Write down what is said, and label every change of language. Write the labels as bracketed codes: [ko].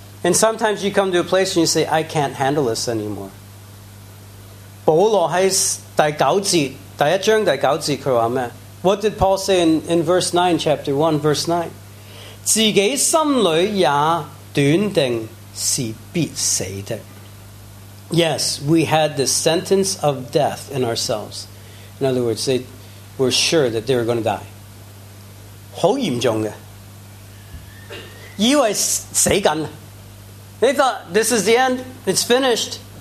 [en] And sometimes you come to a place and you say, I can't handle this anymore. [zh] 保罗在第九节，第一章第九节，他说什么? [en] What did Paul say in verse 9, chapter 1, verse 9? [zh] 自己心里也断定是必死的。 [en] Yes, we had the sentence of death in ourselves. In other words, they were sure that they were going to die. [zh] 很严重的，以为死紧。 [en] They thought, this is the end, it's finished.